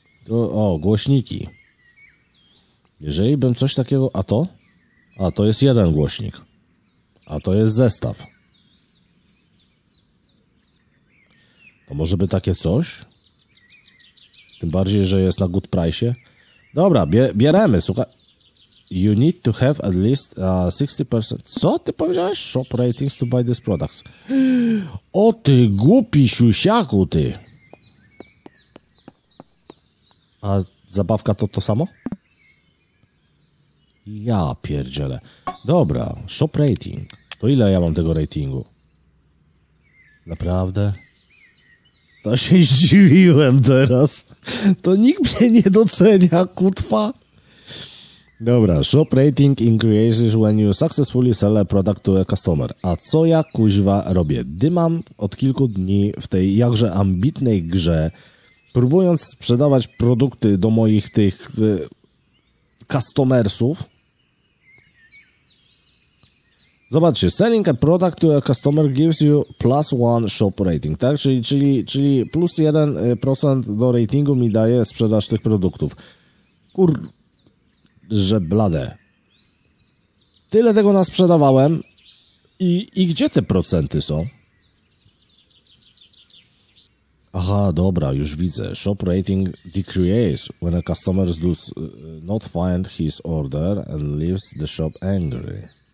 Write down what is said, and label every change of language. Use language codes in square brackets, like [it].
[pl] O, głośniki. Jeżeli bym coś takiego... A to? A to jest jeden głośnik. A to jest zestaw. To może by takie coś? Tym bardziej, że jest na good price'ie. Dobra, bieremy, słuchaj. [en] You need to have at least 60%. [pl] Co ty powiedziałeś? [en] Shop ratings to buy these products. [pl] O ty głupi siusiaku, ty. A zabawka to to samo? Ja pierdziele. Dobra, shop rating. To ile ja mam tego ratingu? Naprawdę? To się zdziwiłem teraz. To nikt mnie nie docenia, kutwa. [en] Dobra, shop rating increases when you successfully sell a product to a customer. [pl] A co ja, kuźwa, robię? Dymam od kilku dni w tej jakże ambitnej grze, próbując sprzedawać produkty do moich tych customersów. Zobaczcie, [en] selling a product to a customer gives you plus one shop rating, tak? [pl] Czyli plus 1% do ratingu mi daje sprzedaż tych produktów. Że blade. Tyle tego nasprzedawałem i gdzie te procenty są? Aha, dobra, już widzę. [en] Shop rating decreases when a customer does not find his order and leaves the shop angry.